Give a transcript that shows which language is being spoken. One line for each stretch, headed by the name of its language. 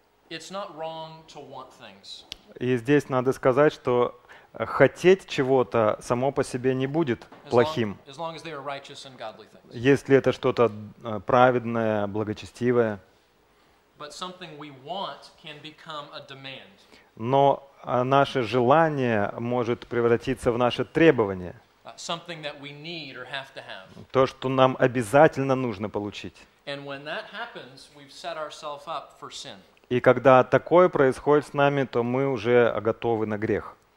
English: It's not wrong to want things.
Russian: И здесь надо сказать, что хотеть чего-то само по себе не будет плохим.
English: As long as they are righteous and godly things.
Russian: Если это что-то праведное, благочестивое.
English: But something we want can become a demand.
Russian: Но наше желание может превратиться в наше требование.
English: Something that we need or have to have.
Russian: То, что нам обязательно нужно получить.
English: And when that happens, we've set ourselves up for sin.
Russian: И когда такое происходит с нами, то мы уже готовы на грех.